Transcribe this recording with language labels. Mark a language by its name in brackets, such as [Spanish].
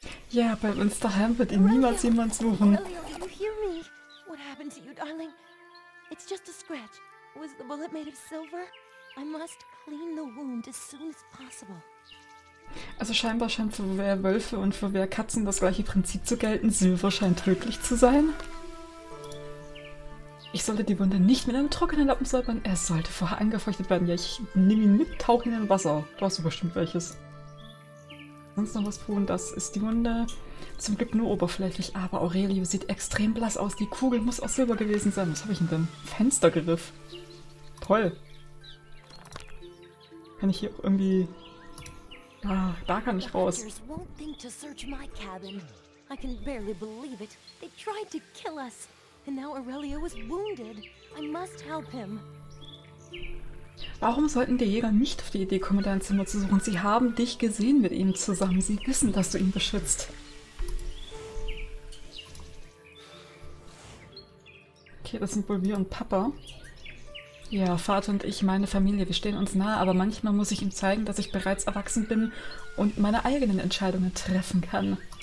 [German] Ja, bei uns daheim wird ihn niemals jemand suchen. [English] Aurelio, can you hear me? What happened to you, darling? It's just a scratch. Was the bullet made of silver? I must clean the wound as soon as possible. [German] Also scheinbar scheint für Werwölfe und für Werkatzen das gleiche Prinzip zu gelten. Silber scheint tödlich zu sein. Ich sollte die Wunde nicht mit einem trockenen Lappen säubern. Er sollte vorher angefeuchtet werden. Ja, ich nehme ihn mit, tauche ihn in Wasser. Du hast bestimmt welches. Sonst noch was tun, das ist die Wunde. Zum Glück nur oberflächlich, aber Aurelio sieht extrem blass aus. Die Kugel muss aus Silber gewesen sein. Was habe ich denn denn? Fenstergriff. Toll. Kann ich hier auch irgendwie... Ah, da kann ich raus. [English] Die Hunters won't think to search my cabin. I can barely believe it. They tried to kill us. And now Aurelio is wounded. I must help him. [German] Warum sollten die Jäger nicht auf die Idee kommen, dein Zimmer zu suchen? Sie haben dich gesehen mit ihm zusammen. Sie wissen, dass du ihn beschützt. Okay, das sind wohl wir und Papa. Ja, Vater und ich, meine Familie, wir stehen uns nahe, aber manchmal muss ich ihm zeigen, dass ich bereits erwachsen bin und meine eigenen Entscheidungen treffen kann.